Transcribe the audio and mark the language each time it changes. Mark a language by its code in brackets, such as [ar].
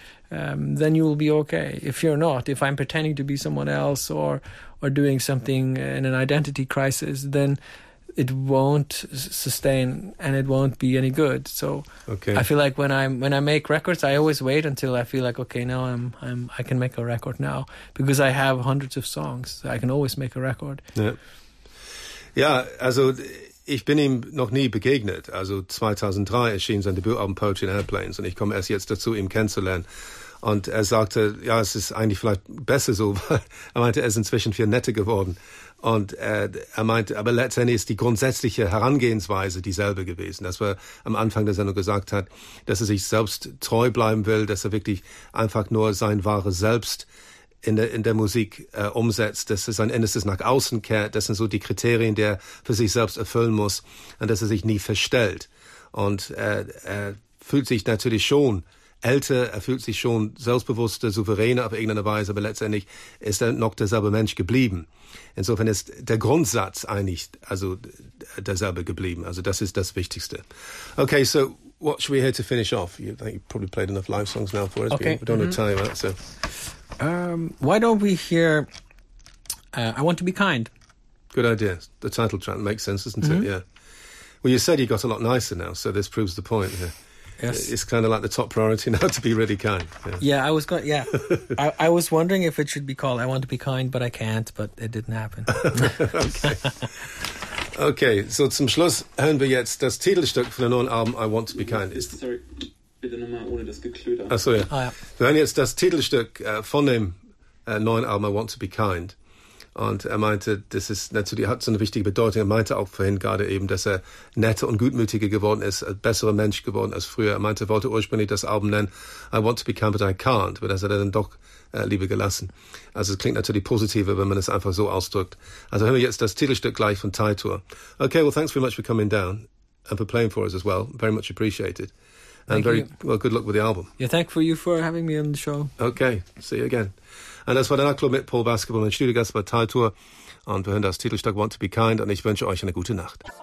[en] Then you will be okay. If you're not, if I'm pretending to be someone else or doing something in an identity crisis, then it won't sustain and it won't be any good. So okay. I feel like when I make records, I always wait until I feel like, okay, now I can make a record now, because I have hundreds of songs. I can always make a record. [de] Yeah, also ich bin ihm noch nie begegnet. Also 2003 erschien sein Debütalbum Poetry and Airplanes und ich komme erst jetzt dazu, ihn kennenzulernen. Und er sagte, ja, es ist eigentlich vielleicht besser so, weil er meinte, er ist inzwischen viel netter geworden. Und er meinte, aber letztendlich ist die grundsätzliche Herangehensweise dieselbe gewesen, dass er am Anfang der Sendung gesagt hat, dass er sich selbst treu bleiben will, dass er wirklich einfach nur sein wahres Selbst in der Musik umsetzt, dass er sein Innerstes nach außen kehrt, das sind so die Kriterien, die er für sich selbst erfüllen muss, und dass er sich nie verstellt. Und er fühlt sich natürlich schon älter, er fühlt sich schon selbstbewusster, souveräner auf irgendeine Weise, aber letztendlich ist er noch derselbe Mensch geblieben. Insofern ist der Grundsatz eigentlich also derselbe geblieben. Also das ist das Wichtigste. [en] Okay, so what should we hear to finish off? You probably played enough live songs now for us. Okay. We don't have time, right? So. Why don't we hear I Want to Be Kind? Good idea. The title track makes sense, doesn't it? Yeah. Well, you said you got a lot nicer now, so this proves the point here. Yes. It's kind of like the top priority now to be really kind. Yeah, I was going. Yeah, I was wondering if it should be called "I Want to Be Kind," but I can't. But it didn't happen. Okay. [de] So zum Schluss hören wir jetzt das Titelstück von dem neuen Album "I Want to Be Kind." Sorry, bitte nochmal ohne das Geklöder. Ach so, ja. Ah, ja. Wir hören jetzt das Titelstück von dem neuen Album "I Want to Be Kind." Und er meinte, das ist natürlich, hat so eine wichtige Bedeutung. Er meinte auch vorhin gerade eben, dass er netter und gutmütiger geworden ist, ein besserer Mensch geworden als früher. Er meinte, er wollte ursprünglich das Album nennen, I Want to Be Kind, But I Can't. Aber das hat er dann doch lieber gelassen. Also es klingt natürlich positiver, wenn man es einfach so ausdrückt. Also hören wir jetzt das Titelstück gleich von Taitour. [en] Okay, well, thanks very much for coming down and for playing for us as well. Very much appreciated. Thank you. Well, good luck with the album. Yeah, thank you for having me on the show. Okay, see you again. [de] Und das war der Nachtclub mit Paul Basketball, mein Studiogast bei Taitour. Und wir hören das Titelstück Want to Be Kind. Und ich wünsche euch eine gute Nacht.